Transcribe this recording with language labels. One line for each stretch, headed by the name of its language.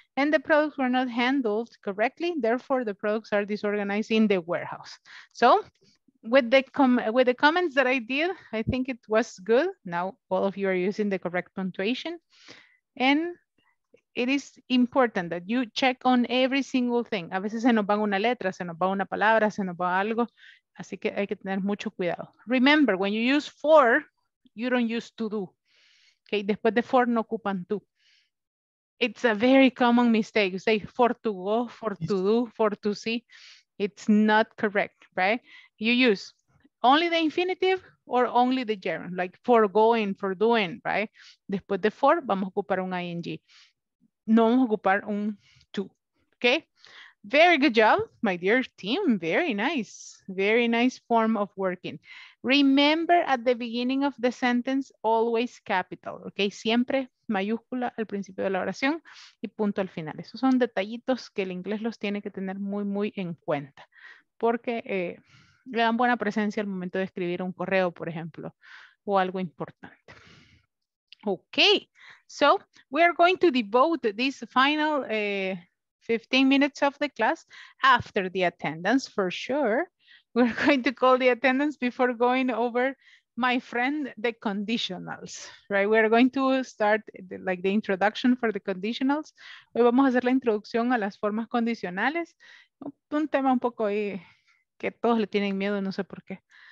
English: And the products were not handled correctly. Therefore, the products are disorganized in the warehouse. So with the comments that I did, I think it was good. Now all of you are using the correct punctuation. And it is important that you check on every single thing.
Spanish: A veces se nos va una letra, se nos va una palabra, se nos va algo. Así que hay que tener mucho cuidado.
English: Remember, when you use for, you don't use to do. Okay,
Spanish: después de for no ocupan to.
English: It's a very common mistake. You say for to go, for to do, for to see. It's not correct, right? You use only the infinitive or only the gerund, like for going, for doing, right?
Spanish: Después de for, vamos a ocupar un ing. No vamos a ocupar un to,
English: okay? Very good job, my dear team. Very nice. Very nice form of working. Remember at the beginning of the sentence, always capital, okay?
Spanish: Siempre mayúscula al principio de la oración y punto al final. Esos son detallitos que el inglés los tiene que tener muy, muy en cuenta porque le dan buena presencia al momento de escribir un correo, por ejemplo, o algo importante.
English: Okay, so we are going to devote this final 15 minutes of the class after the attendance for sure. We're going to call the attendance before going over, my friend, the conditionals, right? We're going to start the introduction for the conditionals.
Spanish: Hoy vamos a hacer la introducción a las formas condicionales. Un tema un poco ahí que todos le tienen miedo, no sé por qué.